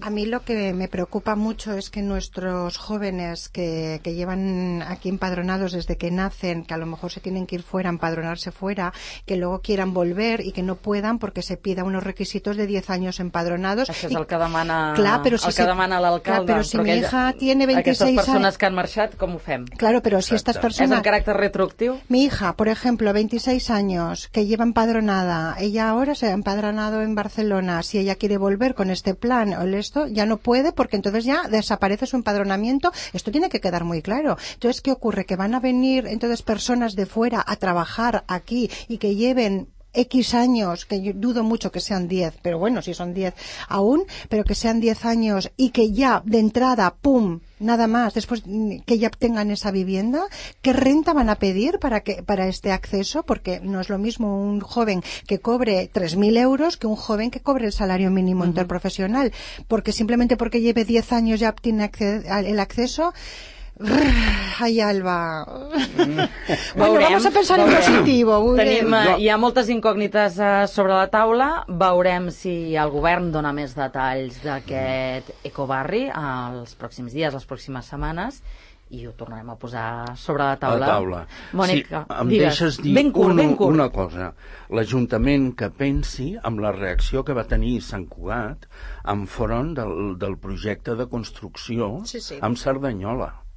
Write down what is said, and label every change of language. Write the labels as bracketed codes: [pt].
[es] A mí lo que me preocupa mucho es que nuestros jóvenes que llevan aquí empadronados desde que nacen, que a lo mejor se tienen que ir fuera, empadronarse fuera, que luego quieran volver y que no puedan porque se pida unos requisitos de 10 años empadronados. [ca] Això és el que demana, clar, però si el que demana l'alcalde. Però [es] si mi hija tiene 26 [ca] anys... Aquestes persones que han marxat, com ho fem? [es] Claro, [ca] però [es] si estas personas... [ca] És un caràcter retroactiu? [es] Mi hija, por ejemplo, 26 años, que lleva empadronada, ella ahora se ha empadronado en Barcelona, si ella quiere volver con este plan o esto, ya no puede porque entonces ya desaparece su empadronamiento. Esto tiene que quedar muy claro. Entonces, ¿qué ocurre? Que van a venir entonces personas de fuera a trabajar aquí y que lleven X años, que yo dudo mucho que sean 10, pero bueno, si son 10 aún, pero que sean 10 años y que ya de entrada, pum, nada más, después que ya tengan esa vivienda, ¿qué renta van a pedir para que para este acceso? Porque no es lo mismo un joven que cobre 3.000 euros que un joven que cobre el salario mínimo interprofesional, porque simplemente porque lleve 10 años ya tiene el acceso... Ai, Alba. Bueno, vamos a pensar en positivo. [ca] Tenim, hi ha moltes incògnites sobre la taula. Veurem si el govern dona més detalls d'aquest ecobarri els pròxims dies, les pròximes setmanes, i ho tornarem a posar sobre la taula. La taula. Mònica, sí, em deixes dir ben curt, una cosa. L'Ajuntament que pensi en la reacció que va tenir Sant Cugat enfront del projecte de construcció amb Cerdanyola.